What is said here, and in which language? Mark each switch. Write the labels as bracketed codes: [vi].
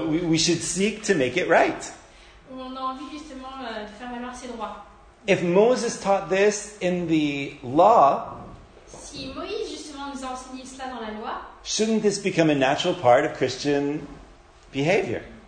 [en] we should seek to make it right. [fr] On a envie justement de faire valoir ses droits. [en] If Moses taught this in the law, [fr] si Moïse justement nous a enseigné cela dans la loi, [en] shouldn't this become a natural part of Christian behavior?